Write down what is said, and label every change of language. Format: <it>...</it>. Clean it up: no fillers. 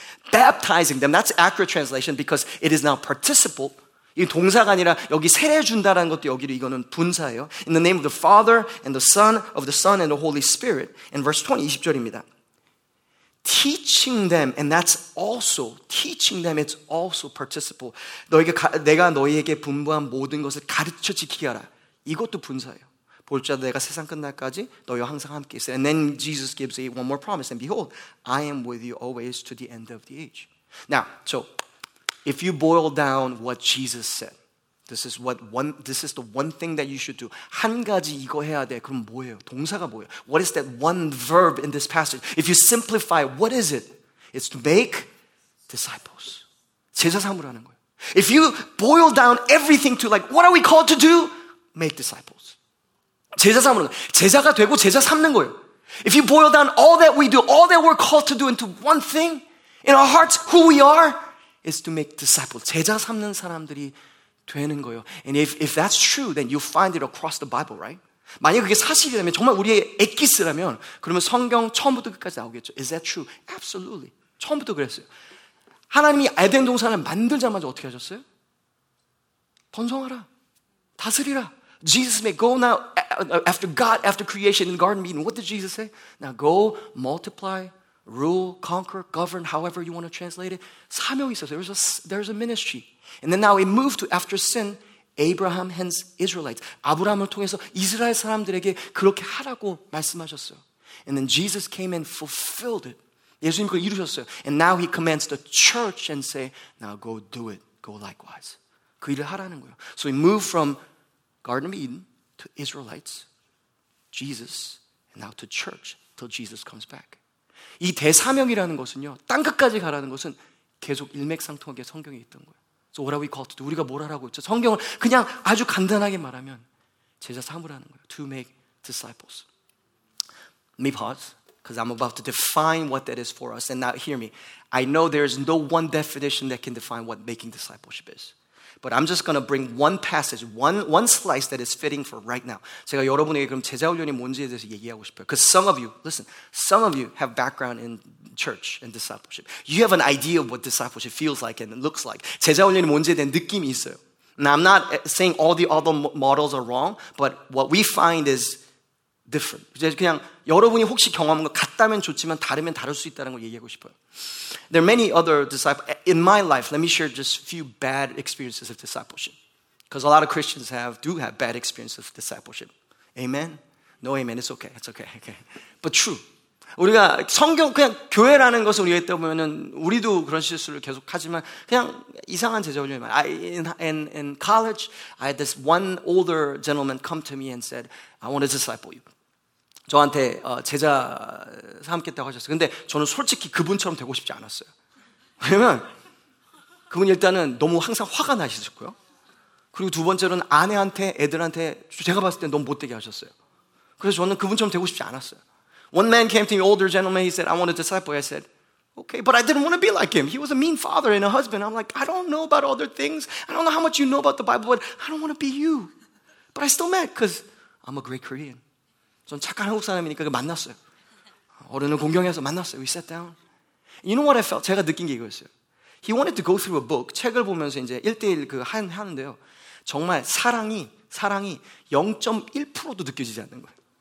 <en>Baptizing them. That's accurate translation because it is now participle.</en> <ko>이 동사가 아니라 여기 세례준다라는 것도 여기로 이거는 분사예요.</ko> <en>In the name of the Father and the Son of the Son and the Holy Spirit. And verse 20,</en> <ko>20절입니다.</ko> <en>Teaching them, and that's also, teaching them, it's also participle.</en> <ko>내가 너희에게 분부한 모든 것을 가르쳐 지키게 하라. 이것도 분사예요. 볼지어다 내가 세상 끝날까지 너희와 항상 함께 있어.</ko> <en>And then Jesus gives one more promise. And behold, I am with you always to the end of the age. Now, so, if you boil down what Jesus said, this is the one thing that you should do.</en> <ko>한 가지 이거 해야 돼. 그럼 뭐예요? 동사가 뭐예요?</ko> <en>What is that one verb in this passage? If you simplify, what is it? It's to make disciples.</en> <ko>제자 삼으라는 거예요.</ko> <en>If you boil down everything to like, what are we called to do? Make disciples.</en> <ko>제자 삼으라는 거예요. 제자가 되고 제자 삼는 거예요.</ko> <en>If you boil down all that we do, all that we're called to do into one thing, in our hearts, who we are, is to make disciples.</en> <ko>제자 삼는 사람들이 되는 거예요.</ko> <en>And if that's true, then you'll find it across the Bible, right?</en> <ko>만약 그게 사실이라면, 정말 우리의 엑기스라면, 그러면 성경 처음부터 끝까지 나오겠죠.</ko> <en>Is that true? Absolutely.</en> <ko>처음부터 그랬어요. 하나님이 에덴 동산을 만들자마자 어떻게 하셨어요? 번성하라, 다스리라.</ko> <en>Jesus may go now after God, after creation in the garden meeting. What did Jesus say? Now go, multiply, rule, conquer, govern, however you want to translate it.</en> <ko>사명이 있었어요.</ko> <en>There's a ministry. And then now it moved to after sin, Abraham, hence Israelites.</en> <ko>아브라함을 통해서 이스라엘 사람들에게 그렇게 하라고 말씀하셨어요.</ko> <en>And then Jesus came and fulfilled it.</en> <ko>예수님 그걸 이루셨어요.</ko> <en>And now he commands the church and say, now go do it, go likewise.</en> <ko>그 일을 하라는 거예요.</ko> <en>So he moved from Garden of Eden to Israelites, Jesus, and now to church till Jesus comes back.</en> <ko>이 대사명이라는 것은요, 땅 끝까지 가라는 것은 계속 일맥상통하게 성경에 있던 거예요.</ko> <en>So what are we called to do?</en> <ko>우리가 뭘 하라고 했죠? 성경을 그냥 아주 간단하게 말하면 제자 삼으라는 거예요.</ko> <en>To make disciples. Let me pause, because I'm about to define what that is for us. And now hear me. I know there is no one definition that can define what making discipleship is. But I'm just going to bring one passage, one slice that is fitting for right now.</en> <ko>제가 여러분에게 그럼 제자훈련이 뭔지에 대해서 얘기하고 싶어요.</ko> <en>Because some of you, listen, some of you have background in church and discipleship. You have an idea of what discipleship feels like and looks like.</en> <ko>제자훈련이 뭔지에 대한 느낌이 있어요.</ko> <en>Now, I'm not saying all the other models are wrong, but what we find is different.</en> <ko>그냥 여러분이 혹시 경험한 거 같다면 좋지만 다르면 다를 수 있다는 걸 얘기하고 싶어요.</ko> <en>There are many other disciples. In my life, let me share just a few bad experiences of discipleship. Because a lot of Christians do have bad experiences of discipleship. Amen? No amen. It's okay. It's okay. Okay. But true.</en> <ko>우리가 성경, 그냥 교회라는 것을 우리가 했다 보면은 우리도 그런 실수를 계속하지만 그냥 이상한 제자훈련이 많아.</ko> <en>In college, I had this one older gentleman come to me and said, I want to disciple you.</en> <ko>저한테 제자 삼겠다고 하셨어요. 근데 저는 솔직히 그분처럼 되고 싶지 않았어요. 왜냐면 그분 일단은 너무 항상 화가 나시셨고요. 그리고 두 번째로는 아내한테 애들한테 제가 봤을 때 너무 못되게 하셨어요. 그래서 저는 그분처럼 되고 싶지 않았어요.</ko> <en>One man came to me, older gentleman. He said, I want a disciple. I said, okay, but I didn't want to be like him. He was a mean father and a husband. I'm like, I don't know about other things. I don't know how much you know about the Bible, but I don't want to be you. But I still met because I'm a great Korean.</en> <ko>전 착한 한국 사람이니까 만났어요. 어른을 공경해서 만났어요.</ko> <en>We sat down. You know what I felt?</en> <ko>제가 느낀 게 이거였어요.</ko> <en>He wanted to go through a book.</en> <ko>책을 보면서 이제 1:1 그 하는데요. 정말 사랑이 0.1%도 느껴지지 않는 거예요.</ko>